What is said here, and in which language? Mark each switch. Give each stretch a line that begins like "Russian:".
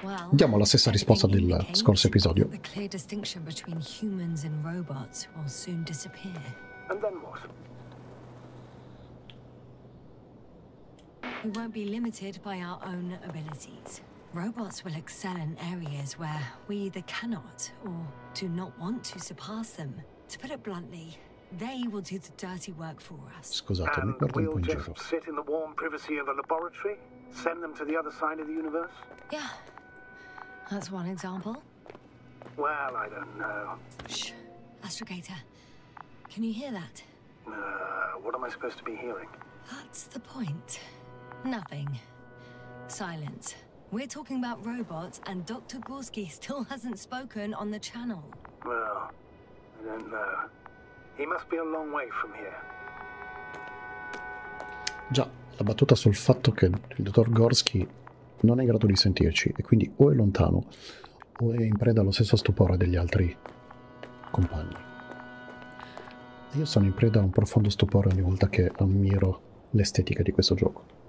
Italian: Diamo la stessa risposta del scorso episodio.
English: The clear distinction between humans and robots will soon disappear. And then what? We won't be limited by our own abilities. Robots will excel in areas where we either cannot or do not want to surpass them. To put it bluntly, They will do the dirty work for us.
Italian: Scusate, mi guardo un po' in giro.
English: And we'll just sit in the warm privacy of a laboratory, send them to the other side of the universe? Yeah, that's one example. Well, I don't know. Shh, Astrogator, can you hear that? What am I supposed to be hearing? That's the point. Nothing. Silence. We're talking about robots, and Dr. Gorski still hasn't spoken on the channel. Well, I don't know. He must be a long way from here.
Italian: Già, la battuta sul fatto che il dottor Gorski non è in grado di sentirci, e quindi o è lontano, o è in preda allo stesso stupore degli altri compagni. Io sono in preda a un profondo stupore ogni volta che ammiro l'estetica di questo gioco.